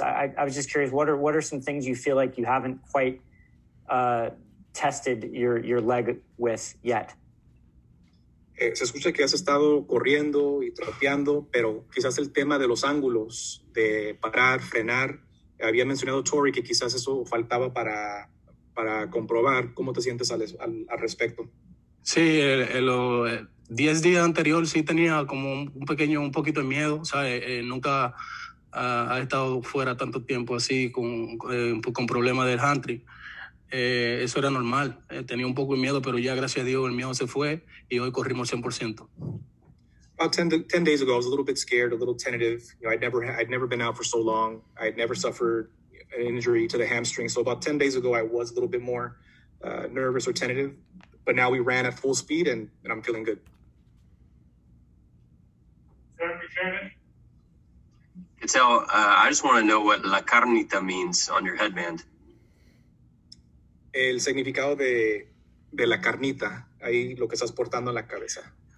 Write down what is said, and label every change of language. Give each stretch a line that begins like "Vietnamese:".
English: I was just curious, what are some things you feel like you haven't quite tested your leg with yet?
Spanish: Se escucha que has estado corriendo y trapeando, pero quizás el tema de los ángulos, de parar, frenar, había mencionado Tori que quizás eso faltaba para comprobar. ¿Cómo te sientes al respecto? Sí, 10 días anterior sí tenía como un pequeño, un poquito de miedo, o sea, nunca ha estado fuera tanto tiempo así con problemas del hamstring. Eso era normal, tenía un poco de miedo, pero ya gracias a Dios el miedo se fue y hoy corrimos 100%.
English: About 10 days ago, I was a little bit scared, a little tentative. You know, I'd never been out for so long. I had never suffered an injury to the hamstring. So about 10 days ago, I was a little bit more nervous or tentative. But now we ran at full speed, and I'm feeling good. Cattell, I just want to know what la carnita means on your headband.
Spanish: El significado de la carnita, ahí lo que estás portando en la cabeza.